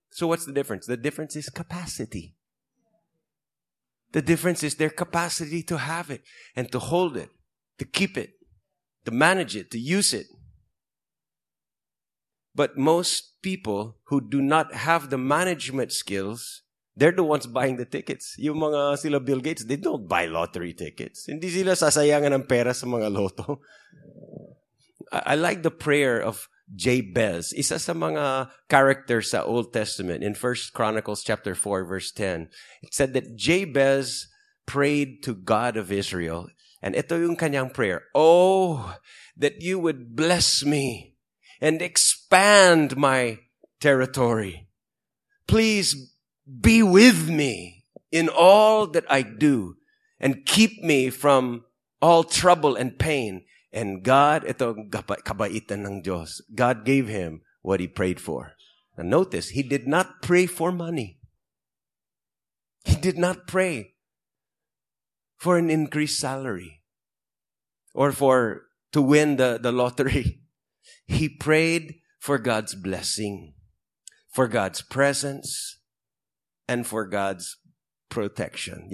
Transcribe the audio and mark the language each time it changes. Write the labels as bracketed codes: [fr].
[en] So what's the difference? The difference is capacity. The difference is their capacity to have it and to hold it, to keep it. to manage it, to use it. But most people who do not have the management skills, they're the ones buying the tickets. [tl] Yung mga sila [en] Bill Gates, they don't buy lottery tickets. [tl] Hindi sila sasayangan ng pera sa mga loto. [en] I like the prayer of Jabez. [tl] Isa sa mga characters sa [en] Old Testament in 1 Chronicles chapter 4, verse 10. It said that Jabez prayed to God of Israel. And [tl] ito yung kanyang [en] prayer. Oh, that you would bless me and expand my territory. Please be with me in all that I do and keep me from all trouble and pain. And God, [tl] ito kabaitan ng Diyos. [en] God gave him what he prayed for. Now notice, he did not pray for money. He did not pray for an increased salary or for to win the lottery. He prayed for God's blessing, for God's presence, and for God's protection.